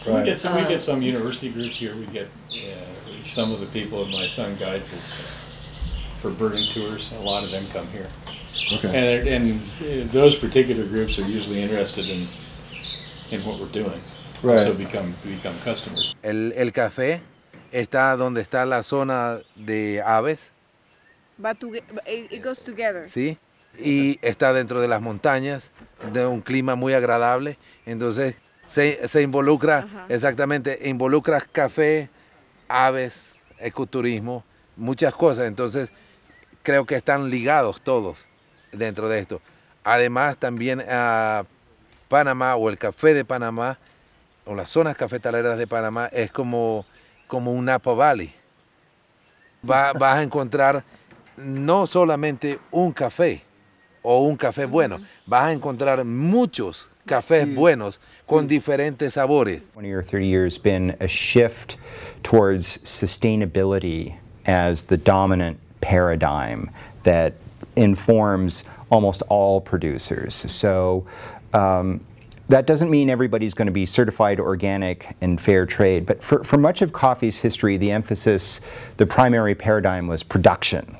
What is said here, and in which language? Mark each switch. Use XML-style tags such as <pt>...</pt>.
<en>Right. We get some university groups here. We get some of the people that my son guides us for birding tours. A lot of them come here. Okay. And those particular groups are usually interested in what we're doing. Right. So become customers.</en> <es>El café está donde está la zona de aves.</es> <en>But it goes together.</en> <es>Sí. Y está dentro de las montañas, de un clima muy agradable. Entonces se involucra, exactamente, involucra café, aves, ecoturismo, muchas cosas. Entonces creo que están ligados todos dentro de esto. Además, también Panamá o el café de Panamá o las zonas cafetaleras de Panamá es como un Napa Valley. Vas a encontrar no solamente un café o un café bueno, vas a encontrar muchos cafés buenos con diferentes sabores.</es> <en>20 or 30 years been a shift towards sustainability as the dominant paradigm that informs almost all producers. So that doesn't mean everybody's going to be certified organic and fair trade, but for much of coffee's history, the emphasis, the primary paradigm was production.</en>